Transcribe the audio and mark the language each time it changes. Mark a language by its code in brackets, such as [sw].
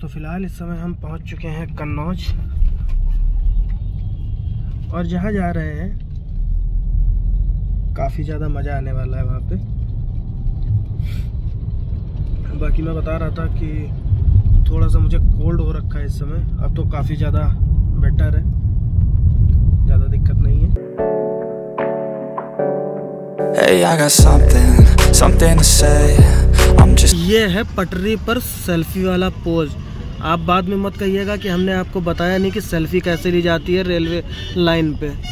[hi] तो फिलहाल इस समय हम पहुंच चुके हैं कन्नौज, और जहां जा रहे हैं काफी ज्यादा मजा आने वाला है वहां पे। बाकी मैं बता रहा था कि थोड़ा सा मुझे कोल्ड हो रखा है इस समय, अब तो काफी ज्यादा बेटर है, ज्यादा दिक्कत नहीं है। [en] Hey, I got something to say. [hi] ये है पटरी पर सेल्फी वाला पोज। आप बाद में मत कहिएगा कि हमने आपको बताया नहीं कि सेल्फी कैसे ली जाती है रेलवे लाइन पे।